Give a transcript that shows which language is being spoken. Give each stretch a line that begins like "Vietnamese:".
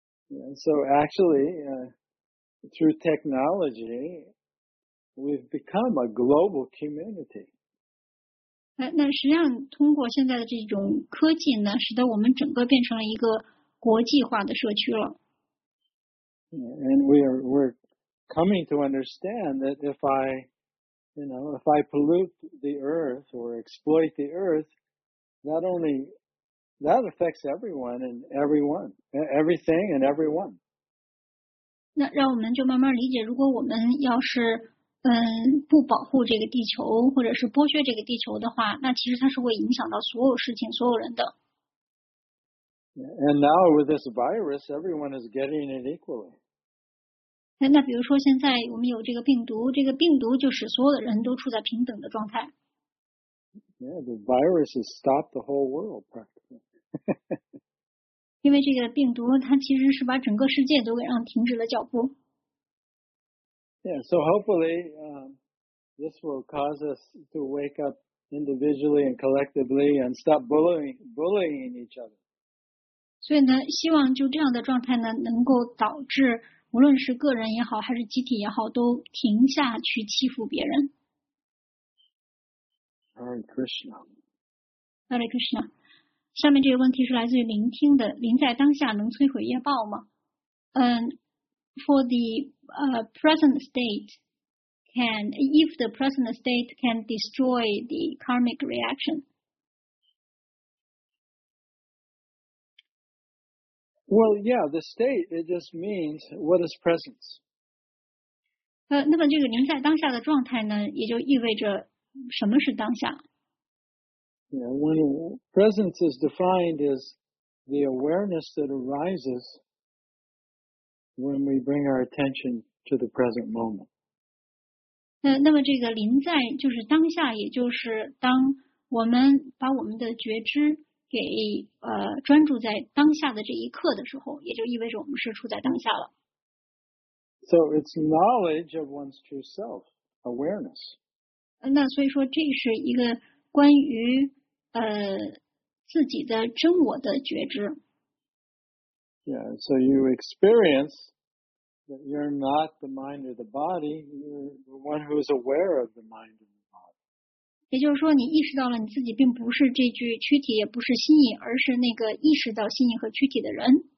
English: Yeah, so actually, through technology, we've become a global community.
Chinese: 那实际上通过现在的这种科技呢，使得我们整个变成了一个国际化的社区了。
English: Yeah, and we're coming to understand that if I pollute the earth or exploit the earth, not only that affects everyone and everyone, everything and everyone.
Chinese: 那让我们就慢慢理解，如果我们要是不保护这个地球或者是剥削这个地球的话，那其实它是会影响到所有事情所有人的。
English: And now with this virus, everyone is getting it equally.
Chinese: 那比如说现在我们有这个病毒，这个病毒就使所有的人都处在平等的状态。
English: Yeah, the virus has stopped the whole world practically.
Chinese: 因为这个病毒它其实是把整个世界都给让停止了脚步。
English: Yeah, so hopefully, this will cause us to wake up individually and collectively and stop bullying each other.
Chinese: 所以呢，希望就这样的状态呢，能够导致无论是个人也好，还是集体也好，都停下去欺负别人。
Sanskrit: Hare Krishna. Hare Krishna.
Chinese: 下面这个问题是来自于聆听的，临在当下能摧毁业报吗？
English: For the present state, if the present state can destroy the karmic reaction? Well, yeah, the state, it just means what is presence.
Chinese: 那么这个临在当下的状态呢，也就意味着什么是当下？
English: Yeah, when presence is defined as the awareness that arises,when we bring our attention to the present moment.
Chinese: 那么这个临在就是当下，也就是当我们把我们的觉知给专注在当下的这一刻的时候，也就意味着我们是处在当下了。
English: So it's knowledge of one's true self, awareness.
Chinese: 那所以说这是一个关于自己的真我的觉知。
English: Yeah, so you experience that you're not the mind or the body, you're the one who is aware of the mind and the body.
Chinese: 也就是说你意识到了你自己并不是这具躯体，也不是心意，而是那个意识到心意和躯体的人。